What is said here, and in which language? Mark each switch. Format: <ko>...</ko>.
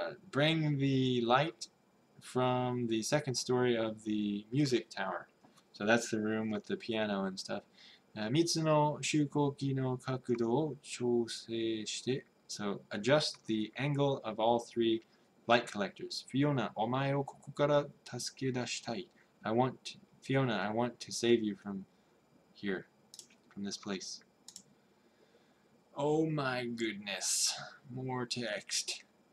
<en>Bring the light from the second story of the music tower. So that's the room with the piano and stuff.</en> <ja>3つの集光器の角度を調整して.</ja> <en>So adjust the angle of all three light collectors.</en> <ja>Fiona, お前をここから助け出したい.</ja> <en>I want to save you from here, from this place. Oh my goodness, more text.</en>